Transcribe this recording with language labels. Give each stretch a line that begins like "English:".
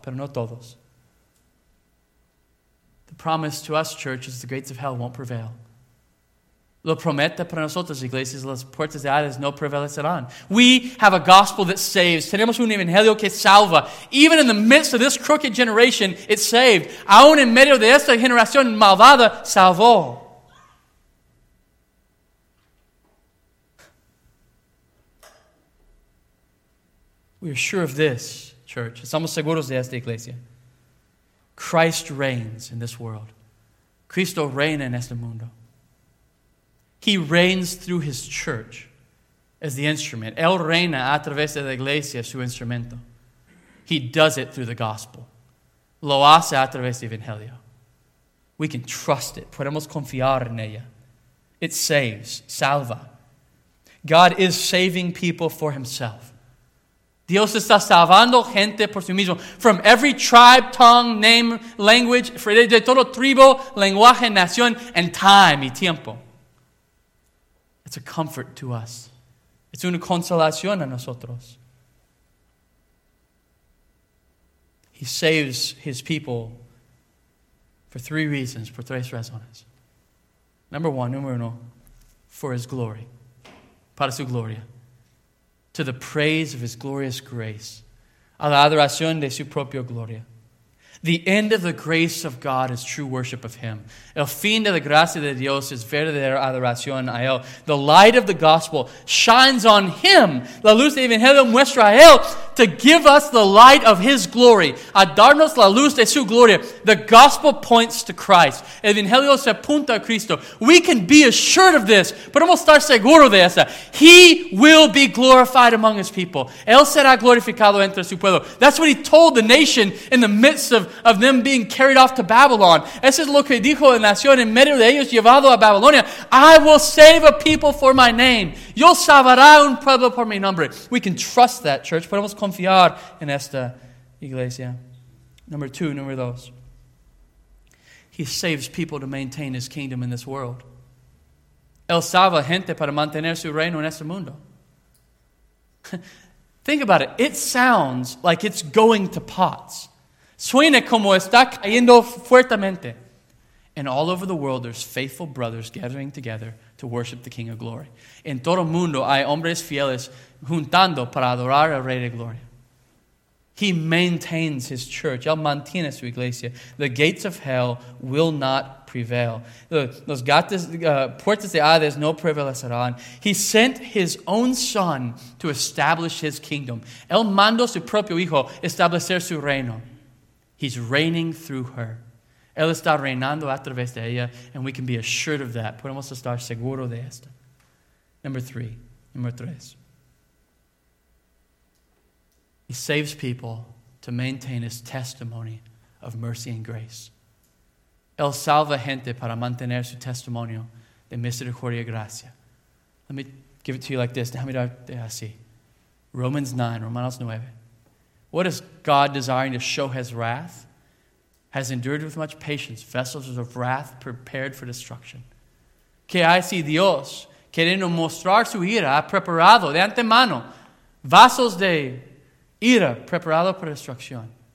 Spanish: Pero no todos.
English: The promise to us, church, is the gates of hell won't prevail.
Spanish: Lo promete para nosotros, iglesias, las puertas de Hades no prevalecerán.
English: We have a gospel that saves.
Spanish: Tenemos un evangelio que salva.
English: Even in the midst of this crooked generation, it saved.
Spanish: Aún en medio de esta generación malvada, salvó.
English: We are sure of this, church.
Spanish: Estamos seguros de esta iglesia.
English: Christ reigns in this world.
Spanish: Cristo reina en este mundo.
English: He reigns through his church as the instrument.
Spanish: Él reina a través de la iglesia, su instrumento.
English: He does it through the gospel.
Spanish: lo hace a través del Evangelio.
English: We can trust it.
Spanish: Podemos confiar en ella.
English: It saves,
Spanish: salva.
English: God is saving people for himself.
Spanish: Dios está salvando gente por sí mismo.
English: From every tribe, tongue, name, language,
Spanish: de todo tribo, lenguaje, nación,
English: and time,
Spanish: y tiempo.
English: It's a comfort to us.
Spanish: Es una consolación a nosotros.
English: He saves his people for three reasons,
Spanish: por tres razones.
English: Number one,
Spanish: número uno,
English: for his glory.
Spanish: Para su gloria.
English: To the praise of his glorious grace.
Spanish: A la adoración de su propia gloria.
English: The end of the grace of God is true worship of him.
Spanish: El fin de la gracia de Dios es verdadera adoración a él.
English: The light of the gospel shines on him.
Spanish: La luz del evangelio muestra a él
English: to give us the light of his glory.
Spanish: A darnos la luz de su gloria.
English: The gospel points to Christ.
Spanish: El evangelio se apunta a Cristo.
English: We can be assured of this.
Spanish: Podemos estar seguros de esa.
English: He will be glorified among his people.
Spanish: Él será glorificado entre su pueblo.
English: That's what he told the nation in the midst of them being carried off to Babylon.
Spanish: Eso es lo que dijo la nación en medio de ellos llevado a Babilonia.
English: I will save a people for my name.
Spanish: Yo salvará un pueblo por mi nombre.
English: We can trust that, church.
Spanish: Podemos confiar en esta iglesia.
English: Number two, number dos. He saves people to maintain his kingdom in this world.
Spanish: Él salva gente para mantener su reino en este mundo.
English: Think about it. It sounds like it's going to pots.
Spanish: Suena como está cayendo fuertemente.
English: And all over the world, there's faithful brothers gathering together to worship the King of Glory.
Spanish: En todo mundo hay hombres fieles juntando para adorar al Rey de Gloria.
English: He maintains his church.
Spanish: Él mantiene su iglesia.
English: The gates of hell will not prevail.
Spanish: Los gates, puertas de Hades no prevalecerán.
English: He sent his own son to establish his kingdom.
Spanish: Él mandó su propio hijo establecer su reino.
English: He's reigning through her.
Spanish: Él está reinando a través de ella,
English: and we can be assured of that.
Spanish: Podemos estar seguros de esto.
English: Number three. He saves people to maintain his testimony of mercy and grace.
Spanish: Él salva gente para mantener su testimonio de misericordia y gracia.
English: Let me give it to you like this.
Spanish: Déjame darte así.
English: Romanos 9. What is God desiring to show his wrath? Has endured with much patience vessels of wrath prepared for destruction.
Spanish: Que hay si Dios, queriendo mostrar su ira, ha preparado de antemano vasos de ira preparado para destrucción.